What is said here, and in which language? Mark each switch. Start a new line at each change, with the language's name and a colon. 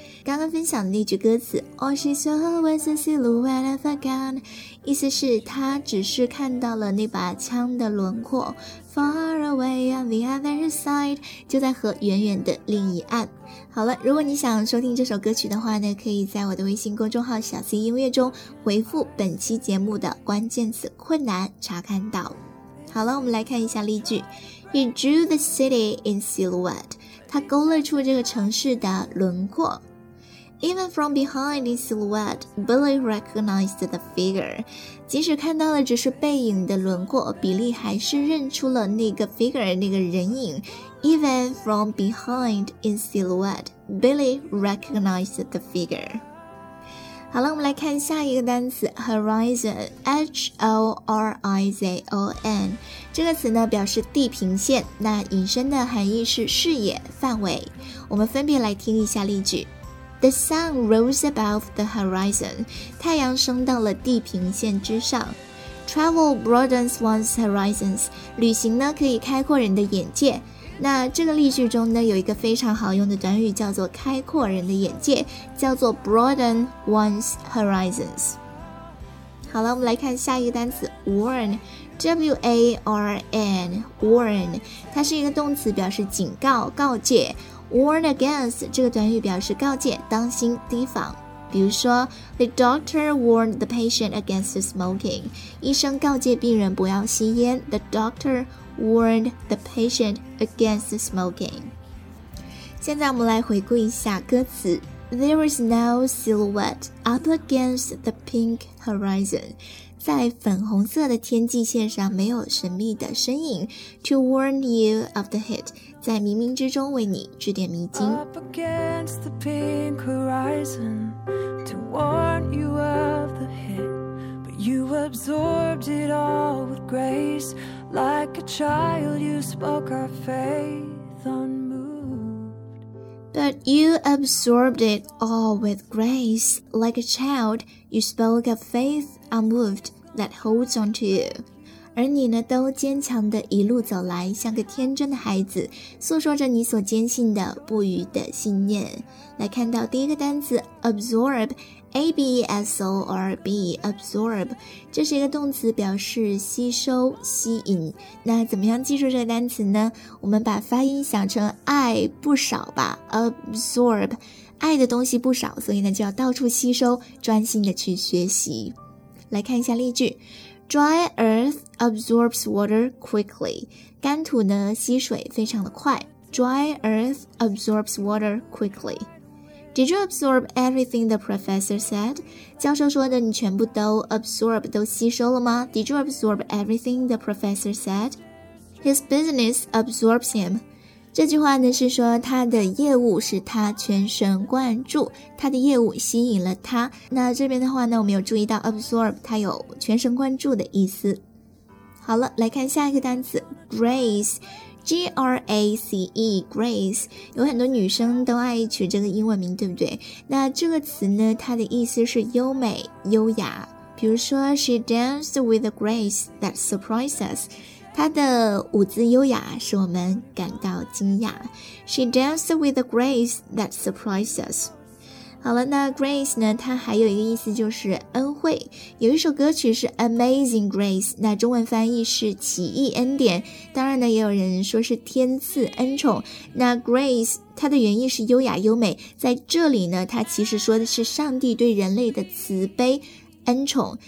Chinese: 刚刚分享的那句歌词
English: All she saw was a silhouette of a gun，
Chinese: 意思是他只是看到了那把枪的轮廓，
English: Far away on the other side，
Chinese: 就在河远远的另一岸。好了，如果你想收听这首歌曲的话呢，可以在我的微信公众号小 C 音乐中回复本期节目的关键词困难查看到。好了，我们来看一下例句。
English: He drew the city in silhouette，
Chinese: 他勾勒出这个城市的轮廓。
English: Even from behind in silhouette, Billy recognized the figure.
Chinese: 即使看到了只是背影的轮廓，比利还是认出了那个 figure， 那个人影。
English: Even from behind in silhouette, Billy recognized the figure.
Chinese: 好了，我们来看下一个单词 horizon, H-O-R-I-Z-O-N。这个词呢表示地平线，那引申的含义是视野、范围。我们分别来听一下例句。
English: The sun rose above the horizon，
Chinese: 太阳升到了地平线之上。
English: Travel broadens one's horizons，
Chinese: 旅行呢可以开阔人的眼界。那这个例句中呢有一个非常好用的短语叫做开阔人的眼界，叫做 broaden one's horizons。好了，我们来看下一个单词 warn， W-A-R-N warn， 它是一个动词，表示警告、告诫。 Warn against 这个短语表示告诫、当心、提防。比如说
English: The doctor warned the patient against smoking，
Chinese: 医生告诫病人不要吸烟。
English: The doctor warned the patient against smoking。
Chinese: 现在我们来回顾一下歌词。
English: There is no silhouette up against the pink horizon，
Chinese: 在粉红色的天际线上没有神秘的身影。
English: To warn you of the heat，
Chinese: 在冥冥之中为你指点迷津。
English: Up against the pink horizon to warn you of the hit， but you absorbed it all with grace like a child. You spoke our faith unmoved. But you absorbed it all with grace like a child. You spoke of faith unmoved that holds on to you.
Chinese: 而你呢都坚强的一路走来，像个天真的孩子，诉说着你所坚信的不渝的信念。来看到第一个单词 absorb， A-B-S-O-R-B absorb， 这是一个动词，表示吸收、吸引。那怎么样记住这个单词呢？我们把发音想成爱不少吧， absorb， 爱的东西不少，所以呢就要到处吸收，专心的去学习。来看一下例句。
English: Dry earth absorbs water quickly，
Chinese: 干土呢吸水非常的快。
English: Dry earth absorbs water quickly. Did you absorb everything the professor said?
Chinese: 教授说的你全部都 absorb 都吸收了吗？
English: Did you absorb everything the professor said? His business absorbs him.
Chinese: 这句话呢是说他的业务使他全神贯注，他的业务吸引了他。那这边的话呢，我们有注意到 absorb 它有全神贯注的意思。好了，来看下一个单词 grace， G-R-A-C-E grace， 有很多女生都爱取这个英文名，对不对？那这个词呢它的意思是优美、优雅。比如说
English: She danced with a grace that surprised us，
Chinese: 她的舞姿优雅使我们感到惊讶。
English: She danced with a grace that surprised us。
Chinese: 好了，那 Grace 呢，它还有一个意思就是恩惠。有一首歌曲是 Amazing Grace， 那中文翻译是奇异恩典，当然呢也有人说是天赐恩宠。那 Grace 它的原意是优雅优美，在这里呢它其实说的是上帝对人类的慈悲恩宠。